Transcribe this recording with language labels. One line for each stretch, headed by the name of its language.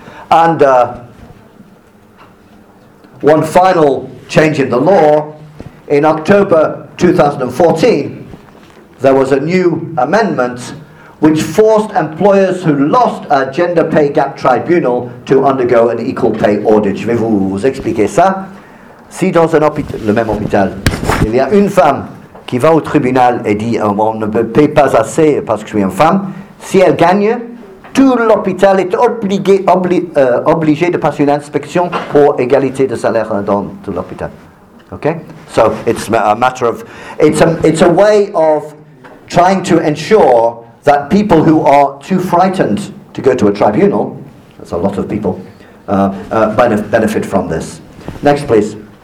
English: And one final change in the law. In October 2014, there was a new amendment which forced employers who lost a gender pay gap tribunal to undergo an equal pay audit.
French: Je vais vous expliquer ça. Si dans un hôpital, le même hôpital, il y a une femme qui va au tribunal et dit on ne me paye pas assez parce que je suis une femme, si elle gagne, tout l'hôpital est obligé de passer une inspection pour égalité de salaire dans tout l'hôpital.
English: Okay? So it's a matter of, it's a way of trying to ensure that people who are too frightened to go to a tribunal, that's a lot of people, benefit from this. Next, please.